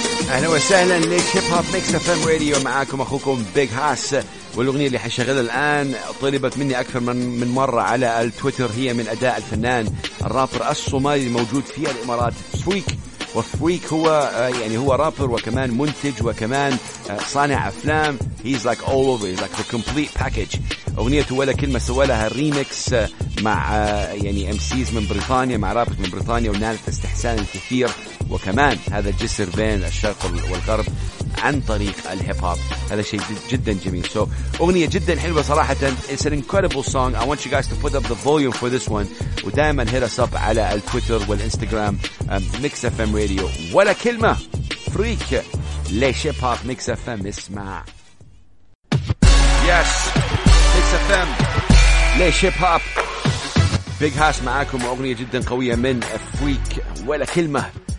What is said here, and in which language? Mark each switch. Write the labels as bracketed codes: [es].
[ar] أهلا وسهلا ليش هيب هوب ميكس فم راديو معاكم أخوكم بيج هاس والأغنية اللي حشغلها الآن طلبت مني أكثر من مرة على التويتر هي من أداء الفنان الرابر الصومالي الموجود في الإمارات سويك وفريك هو يعني هو رابر وكمان منتج وكمان صانع أفلام. [en] He's like all over, he's like the complete package. [ar] أغنيته ولا كلمة سوى لها ريميكس مع يعني MCs من بريطانيا مع رابر من بريطانيا ونالت استحسان الكثير وكمان هذا الجسر بين الشرق والغرب عن طريق الهيب هوب. هذا شيء جدا جميل. [en] So [ar] أغنية جدا حلوة صراحة. [en] It's an incredible song. I want you guys to put up the volume for this one. [ar] ودائما [en] hit us up [ar] على التويتر والإنستغرام Mix FM Radio. ولا كلمة فريك ليش هيب هوب Mix FM. اسمع. [en] Yes [ar] Mix FM ليش هيب هوب Big Hass معاكم وأغنية جدا قوية من فريك ولا كلمة.